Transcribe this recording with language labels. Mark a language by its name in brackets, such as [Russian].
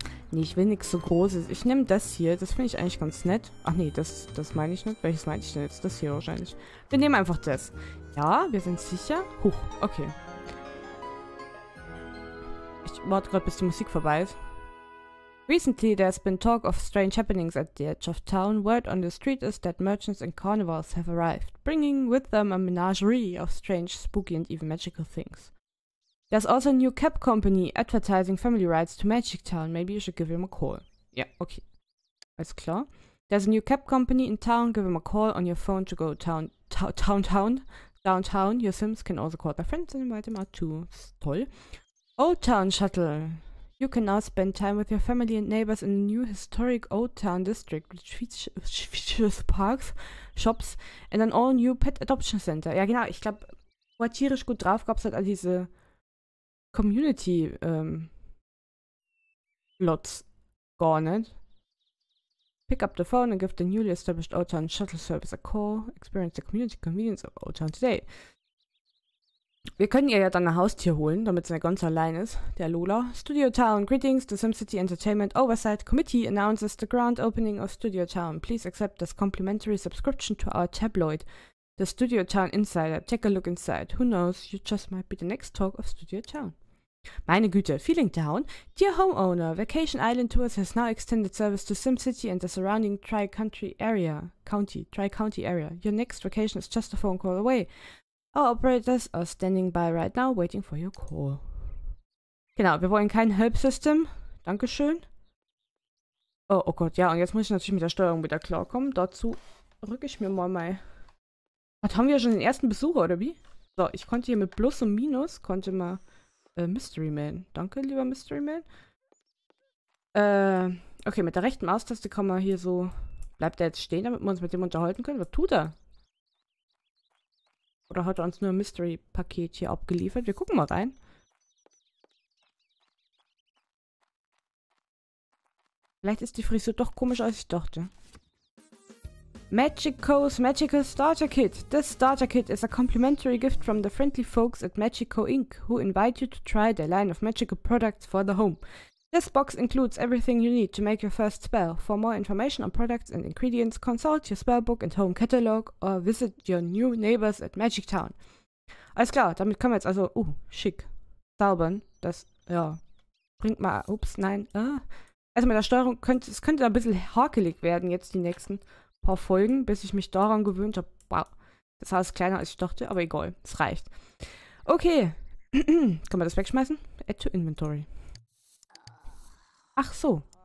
[German] Nee, ich will nichts so Großes. Ich nehme das hier, das finde ich eigentlich ganz nett. Ach nee, das meine ich nicht. Welches meine ich denn jetzt? Das hier wahrscheinlich. Wir nehmen einfach das. Ja, wir sind sicher. Huch, okay. Ich warte gerade, bis die Musik vorbei ist. [English] Recently, there's been talk of strange happenings at the edge of town. Word on the street is that merchants and carnivores have arrived, bringing with them a menagerie of strange, spooky and even magical things. There's also a new cab company advertising family rides to Magic Town. Maybe you should give him a call. [German] Ja, okay. Alles klar. [English] There's a new cab company in town. Give him a call on your phone to go town. Town, town, town. Downtown. Your Sims can also call their friends and invite them out too. [German] Das ist toll. [English] Old Town Shuttle. You can now spend time with your family and neighbors in the new historic Old Town District with features, parks, shops and an all new Pet Adoption Center. [German] Ja, genau, ich glaube, wo er tierisch gut drauf gab es halt all diese Community Lots gar nicht. [English] Pick up the phone and give the newly established Old Town Shuttle Service a call. Experience the community convenience of Old Town today. [German] Wir können ihr ja dann ein Haustier holen, damit sie nicht ganz allein ist. Der Lola. Studio Town, greetings. [English] The SimCity Entertainment Oversight Committee announces the grand opening of Studio Town. Please accept this complimentary subscription to our tabloid, the Studio Town Insider. Take a look inside. Who knows, you just might be the next talk of Studio Town. [German] Meine Güte, [English] Feeling Town. Dear Homeowner, Vacation Island Tours has now extended service to SimCity and the surrounding Tri-County Area. Your next vacation is just a phone call away. Our operators are standing by right now, waiting for your call. [German] Genau, wir wollen kein Help-System. Dankeschön. Oh Gott, ja, und jetzt muss ich natürlich mit der Steuerung wieder klarkommen. Dazu rücke ich mir mal mein... Was, haben wir schon den ersten Besucher, oder wie? So, ich konnte hier mit Plus und Minus, konnte mal... Mystery Man. Danke, lieber Mystery Man. Okay, mit der rechten Maustaste kann man hier so... Bleibt er jetzt stehen, damit wir uns mit dem unterhalten können? Was tut er? Oder hat er uns nur ein Mystery-Paket hier abgeliefert? Wir gucken mal rein. Vielleicht ist die Frisur doch komischer, als ich dachte. [English] Magico's Magical Starter Kit. This Starter Kit is a complimentary gift from the friendly folks at Magico Inc. who invite you to try their line of magical products for the home. This box includes everything you need to make your first spell. For more information on products and ingredients, consult your spellbook and home catalog or visit your new neighbors at Magic Town. [German] Alles klar, damit können wir jetzt also, schick, zaubern. Das, ja, bringt mal, ups, nein, Also mit der Steuerung, es könnte ein bisschen hakelig werden jetzt die nächsten paar Folgen, bis ich mich daran gewöhnt habe. Wow, das Haus ist kleiner als ich dachte, aber egal, es reicht. Okay, können wir das wegschmeißen? Add to Inventory. Ach so.